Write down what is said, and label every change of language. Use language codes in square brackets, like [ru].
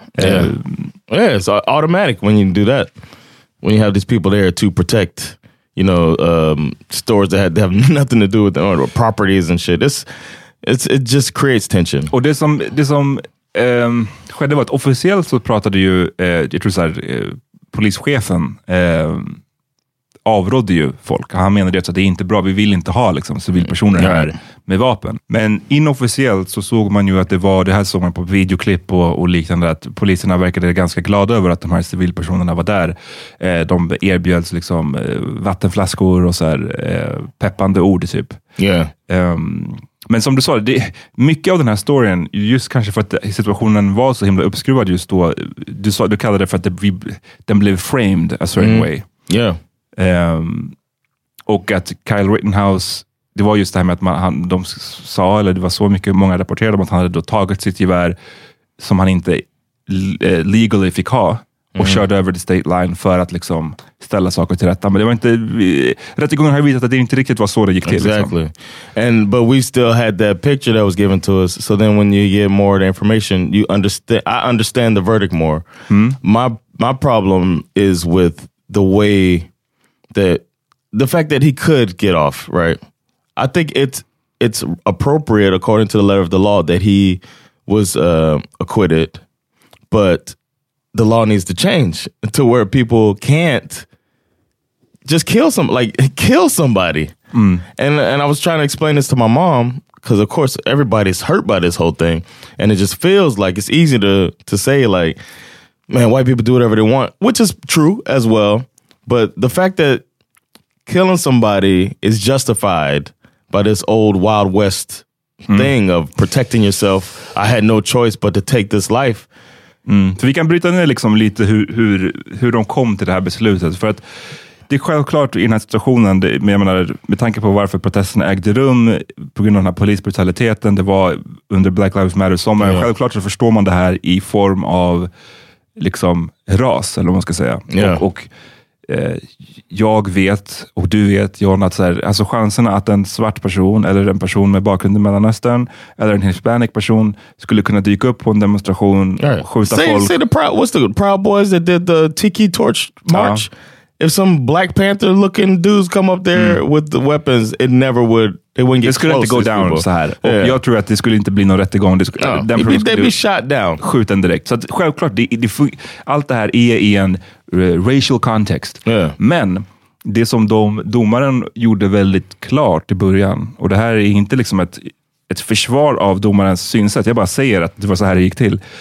[en] Yeah, it's automatic when you do that. When you have these people there to protect, you know, stores that have nothing to do with them, or properties and shit. It just creates tension. [sv] Och det som skedde var att officiellt så pratade ju jag tror så här, polischefen avrådde ju folk. Han menade att det är inte bra, vi vill inte ha liksom civilpersoner här med vapen. Men inofficiellt så såg man ju att det här såg man på videoklipp och liknande, att poliserna verkade ganska glada över att de här civilpersonerna var där. De erbjöds liksom vattenflaskor och så här, peppande ord typ. [en] Yeah. [sv] Men som du sa, mycket av den här storyn, just kanske för att situationen var så himla uppskruvad just då, du kallade det för att den blev [en] framed a certain way. Yeah. [sv] Och att Kyle Rittenhouse, det var just det här med att de sa, eller det var så mycket många rapporterade om att han hade då tagit sitt gevär som han inte [en] legally [sv] fick ha och körde över [en] the state line [sv] för att liksom ställa saker till rätta, men det var inte rättegången har visat att det inte riktigt var så det gick till. [en] Exactly. [sv] Liksom. [en] And but we still had that picture that was given to us, so then when you get more of the information, you understand, I understand the verdict more. My problem is with the way that the fact that he could get off, right? I think it's appropriate according to the letter of the law that he was acquitted, but the law needs to change to where people can't just kill somebody. And I was trying to explain this to my mom, because of course everybody's hurt by this whole thing, and it just feels like it's easy to say, like, man, white people do whatever they want, which is true as well, but the fact that killing somebody is justified by this old Wild West thing of protecting yourself. I had no choice but to take this life. [sv] Så vi kan bryta ner liksom lite hur de kom till det här beslutet. För att det är självklart i den här situationen, med tanke på varför protesterna ägde rum på grund av den här polisbrutaliteten, det var under Black Lives Matter sommaren. [en] Yeah. [sv] Självklart så förstår man det här i form av liksom ras, eller vad man ska säga. [en] Yeah. [sv] Och jag vet, och du vet, John, att så här, alltså chanserna att en svart person eller en person med bakgrund i Mellanöstern eller en hispanic person skulle kunna dyka upp på en demonstration och skjuta folk. [en] Say the proud, what's the proud boys that did the tiki torch march. If some Black Panther looking dudes come up there with the weapons, it wouldn't get close. [sv] Skulle inte gå [en] down people. [sv] Så här. Och jag tror att det skulle inte bli någon rättegång. [en] They'd be shot down. [sv] Skjuten direkt. Så att, självklart, allt det här är i en [en] racial context. Yeah. [sv] Men det som domaren gjorde väldigt klart i början, och det här är inte liksom ett försvar av domarens synsätt, jag bara säger att det var så här det gick till.